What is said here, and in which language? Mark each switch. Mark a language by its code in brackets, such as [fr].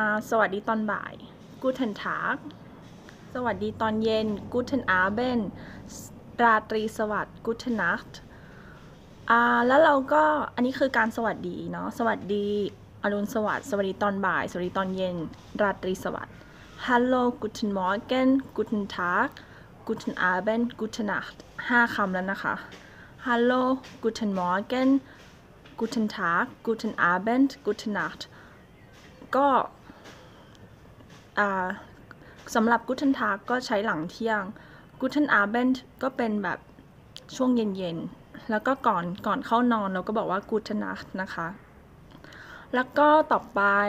[th] สวัสดีตอนบ่าย [de] Guten Tag [th] สวัสดีตอนเย็น [de] Guten Abend [th] ราตรีสวัสดิ์ [de] Guten Nacht [th] แล้วเราก็อันนี้คือการสวัสดีเนาะสวัสดีอรุณสวัสดิ์สวัสดีตอนบ่ายสวัสดีตอนเย็นราตรีสวัสดิ์ [de] Hello, guten Morgen, guten Tag, guten Abend, gute Nacht. [th] 5คำแล้วนะคะ [de] Hello, guten Morgen, guten Tag, guten Abend, gute Nacht. [th] ก็สำหรับ [de] guten Tag [th] ก็ใช้หลังเที่ยง [de] guten Abend [th] ก็เป็นแบบช่วงเย็นๆแล้วก็ก่อนเข้านอนเราก็บอกว่า [de] gute Nacht [th] นะคะแล้วก็ต่อไป